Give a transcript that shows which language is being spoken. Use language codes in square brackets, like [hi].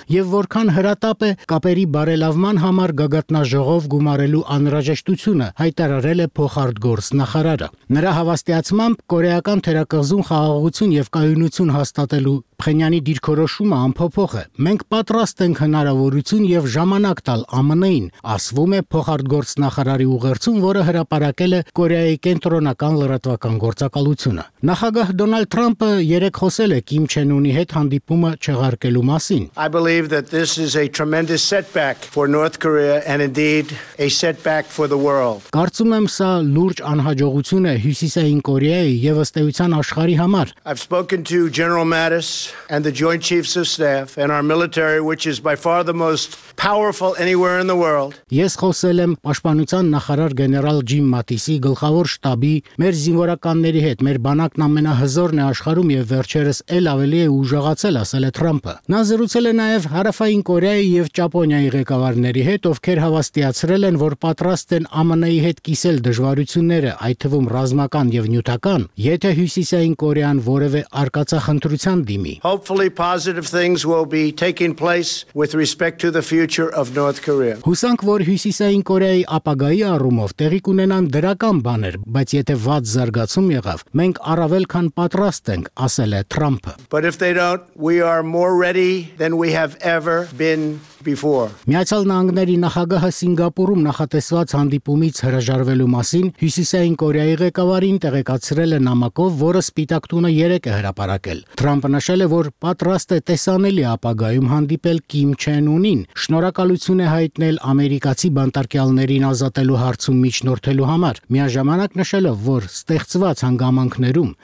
[hy] և որքան հրատապ է կապերի բարելավման համար գագաթնաժողով գումարելու անհրաժեշտությունը, հայտարարել է փոխարտգործ նախարարը։ Նրա հավաստիացմամբ կորեական թերակղզում խաղաղություն և կայունություն հաստատելու Փենյանի դիրքորոշումը անփոփոխ է։ Մենք պատրաստ ենք հնարավորություն և ժամանակ տալ ԱՄՆ-ին, ասվում է փոխարտգործ նախարարի ուղերձում, որը հրապարակել է Կորեայի կենտրոնական լրատվական գործակալությունը։ Նախագահ Դոնալդ Թրամփը երեք խոսել է Կիմ Չեն Ունի հետ հանդիպումը չեղարկելու մասին։ [en] I believe that this is a tremendous setback for North Korea and indeed a setback for the world. [hy] Կարծում եմ, սա լուրջ անհաջողություն է Հյուսիսային Կորեայի և ըստեյության աշխարհի համար։ [en] I've spoken to General Mattis and the Joint Chiefs of Staff and our military, which is by far the most powerful anywhere in the world. [hy] Ես խոսել եմ պաշտպանության նախարար գեներալ Ջիմ Մատիսի գլխավոր շտաբի, մեր զինվորականների հետ, մեր բանակն ամենահզորն է աշխարհում եւ վերջերս էլ ավելի է ուժեղացել, ասել է Թրամփը։ Նա զրուցել է նաեւ Հարավային Կորեայի եւ Ճապոնիայի ղեկավարների հետ, ովքեր հավաստիացրել են, որ պատրաստ են ԱՄՆ-ի հետ կիսել դժվարությունները, այդ թվում ռազմական եւ նյութական, եթե Հյուսիսային Կորեան որևէ արկածախնդրության դիմի։ [en] Hopefully positive things will be taking place with respect to the future of North Korea. [hy] Հուսանք, որ Հյուսիսային Կորեայի ապագայի առումով տեղի կունենան դրական բաներ, բայց եթե վատ զարգացում եղավ, մենք առավել քան պատրաստ ենք, ասել է Թրամփը. [en] But if they don't, we are more ready than we have ever been. [hy] Միացյալ Նահանգների նախագահը Սինգապուրում նախատեսված հանդիպումից հրաժարվելու մասին Հյուսիսային Կորեայի ղեկավարին տեղեկացրել է նամակով, որը Սպիտակ տունը երեկ է հրապարակել։ Թրամփը նշել է, որ պատրաստ է տեսանելի ապագայում հանդիպել Կիմ Չեն Ունին, շնորհակալություն է հայտնել ամերիկացի բանտարկյալներին ազատելու հարցում միջնորդելու համար, միաժամանակ նշելով, որ ստեղծված հանգամանքներում,